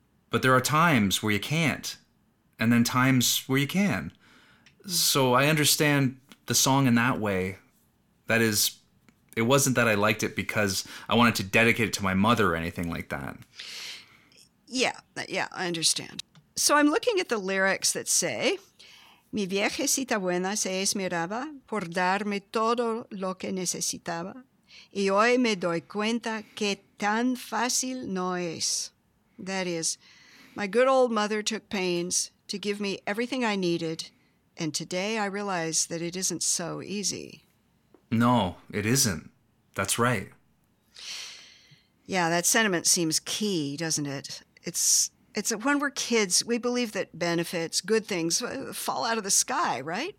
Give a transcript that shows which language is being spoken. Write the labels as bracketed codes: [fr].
[en] But there are times where you can't, and then times where you can. So I understand the song in that way. That is, it wasn't that I liked it because I wanted to dedicate it to my mother or anything like that. Yeah, I understand. So I'm looking at the lyrics that say, [es] Mi viejecita buena se esmeraba por darme todo lo que necesitaba, y hoy me doy cuenta que tan fácil no es. [en] That is, my good old mother took pains to give me everything I needed, and today I realize that it isn't so easy. No, it isn't. That's right. Yeah, that sentiment seems key, doesn't it? It's that when we're kids, we believe that benefits, good things, fall out of the sky, right?